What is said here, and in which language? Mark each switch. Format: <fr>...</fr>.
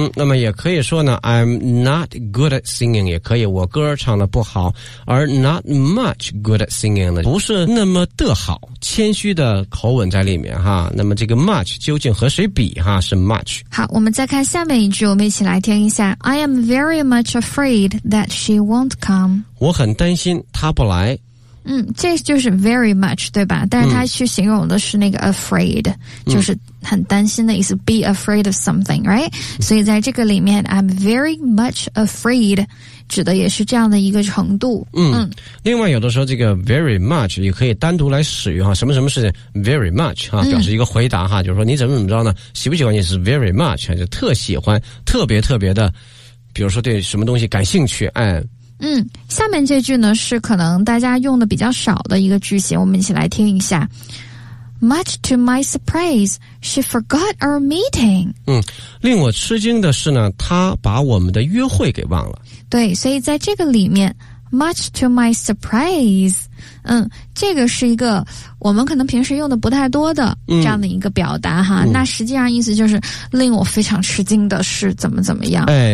<zh>那么也可以说呢 ，</zh> <en>I'm not good at singing</en> <zh>也可以，我歌唱的不好。而</zh> <en>not much good at singing</en> <zh>呢，不是那么的好，谦虚的口吻在里面哈。那么这个 much 究竟和谁比哈？是 much。好，我们再看下面一句，我们一起来听一下。</zh> <en>I am very much afraid that she won't。</en> <zh>我很担心他不来。这就是 very much， 对吧？但是他去形容的是那个 afraid， 就是很担心的意思。</zh> <en>Be afraid of something， right？</en> <zh>所以在这个里面 ，</zh> <en>I'm very much afraid，</en> <zh>指的也是这样的一个程度。另外有的时候这个 very much 也可以单独来使用哈，什么什么事情 very much 哈，表示一个回答哈，就是说你怎么怎么着呢？喜不喜欢你是 very much， 就特喜欢，特别特别的，比如说对什么东西感兴趣，下面这句呢是可能大家用的比较少的一个句型，我们一起来听一下。</zh> <en>Much to my surprise, she forgot our meeting。</en> <zh>令我吃惊的是呢，她把我们的约会给忘了。对，所以在这个里面 ，</zh> <en>much to my surprise，</en> <zh>这个是一个我们可能平时用的不太多的这样的一个表达哈。那实际上意思就是令我非常吃惊的是怎么怎么样。</zh>